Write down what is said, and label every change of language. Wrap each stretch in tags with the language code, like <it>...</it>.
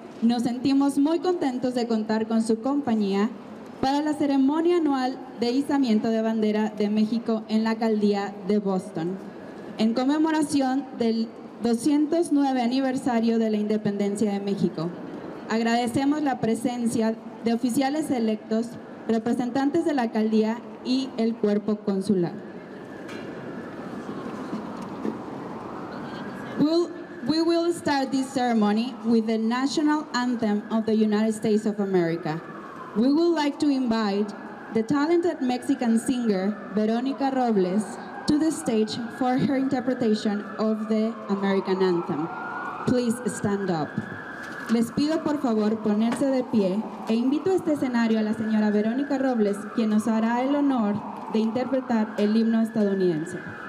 <es>Nos sentimos muy contentos de contar con su compañía para la ceremonia anual de izamiento de bandera de México en la alcaldía de Boston, en conmemoración del 209 aniversario de la independencia de México. Agradecemos la presencia de oficiales electos, representantes de la alcaldía y el cuerpo consular.</es> <en>We will start this ceremony with the national anthem of the United States of America. We would like to invite the talented Mexican singer, Veronica Robles, to the stage for her interpretation of the American anthem. Please stand up.</en> <es>Les pido por favor ponerse de pie e invito a este escenario a la señora Veronica Robles, quien nos hará el honor de interpretar el himno estadounidense.</es>